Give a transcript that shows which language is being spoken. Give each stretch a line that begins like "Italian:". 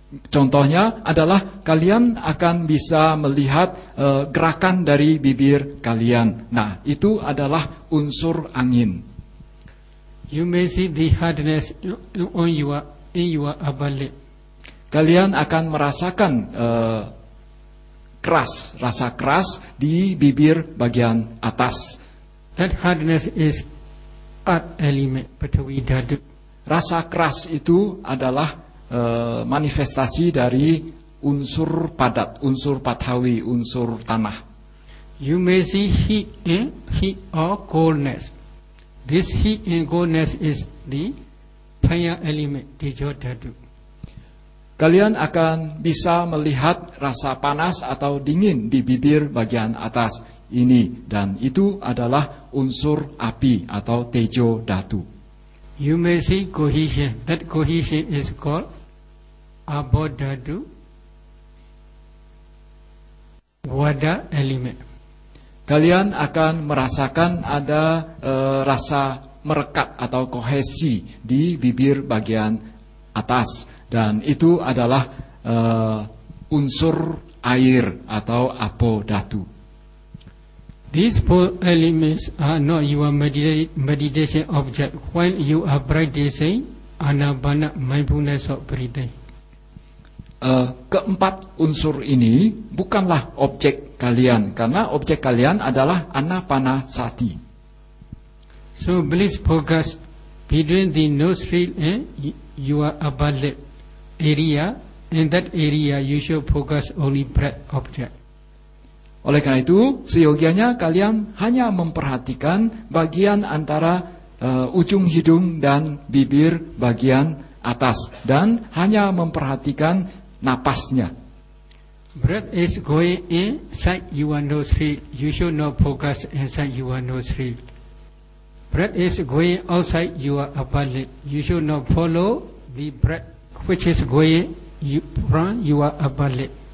Indonesian: Contohnya adalah kalian akan bisa melihat gerakan dari bibir kalian. Nah, itu adalah unsur angin.
English: You may see the hardness on your upper lip.
Indonesian: Kalian akan merasakan rasa keras di bibir bagian atas.
English: That hardness is at element patawi dadu.
Indonesian: Rasa keras itu adalah manifestasi dari unsur padat, unsur patawi, unsur tanah.
English: You may see heat, heat or coldness. This heat and coldness is the fire element, tejo dhatu.
Indonesian: kalian akan bisa melihat rasa panas atau dingin di bibir bagian atas ini, dan itu adalah unsur api atau tejo datu.
English: You may see cohesion. That cohesion is called abodatu wada element.
Indonesian: Kalian akan merasakan ada rasa merekat atau kohesi di bibir bagian atas, dan itu adalah unsur air atau apodatu.
English: These four elements are not your meditation object while you are practicing anapana mindfulness of breathing.
Indonesian: Keempat unsur ini bukanlah objek kalian, karena objek kalian adalah anapana sati.
English: So please focus between the nostril and your upper lip area. In that area you should focus only breath object.
Indonesian: Oleh karena itu, seyogianya kalian hanya memperhatikan bagian antara ujung hidung dan bibir bagian atas, dan hanya memperhatikan napasnya.
English: Breath is going inside your nostril. You should not focus inside your nostril. Breath is going outside your upper lip. You should not follow the breath which is going from your upper lip.